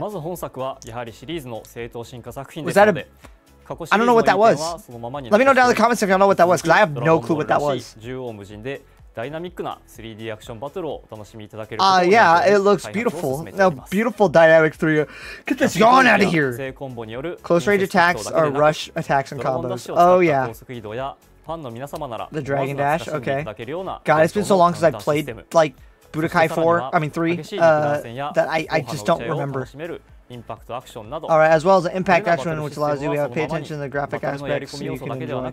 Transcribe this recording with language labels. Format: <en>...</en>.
<ja>まず本作はやはりシリーズの正当進化作品ですので、過去シリーズの一点はそのままに。</ja> <en>Let me know down in the comments if you know what that was, because I have no clue what that was.</en> <ja>縦横無尽でダイナミックな 3D アクションバトルをお楽しみいただける。</ja> <en>yeah, it looks beautiful. Now, beautiful dynamic 3D. Get this yawn out of here.</en> <ja>正コンボによる</ja> <en>close range attacks or rush attacks and combos. Oh yeah.</en> <ja>高速移動やファンの皆様なら、</ja> <en>the dragon dash, okay. God, it's been so long since I played like. Budokai 4, I mean 3, that I just don't remember. Alright, as well as the impact action, which allows you to pay attention to the graphic aspects so you can enjoy.</en>